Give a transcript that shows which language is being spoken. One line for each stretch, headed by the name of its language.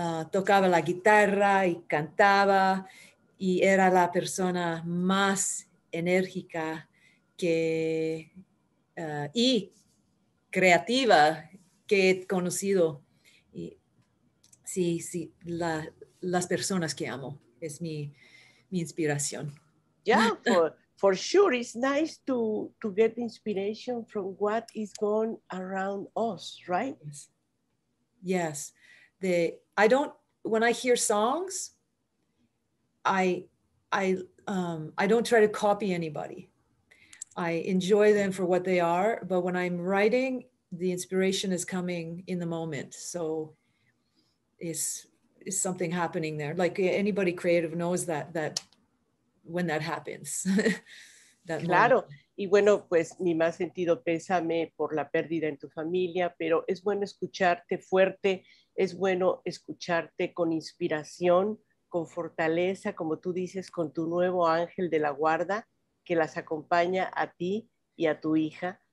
Spanish: Tocaba la guitarra y cantaba, y era la persona más enérgica y creativa que he conocido. Y sí, las personas que amo es mi inspiración.
English: Yeah, for sure. It's nice to get inspiration from what is going around us, right? Yes. When I hear songs, I don't try to copy anybody. I enjoy them for what they are, but when I'm writing, the inspiration is coming in the moment. So is something happening there. Like anybody creative knows that when that happens. That claro. Moment.
Spanish: Y bueno, pues mi más sentido pésame por la pérdida en tu familia, pero es bueno escucharte fuerte, es bueno escucharte con inspiración, con fortaleza, como tú dices, con tu nuevo ángel de la guarda, que las acompaña a ti y a tu hija.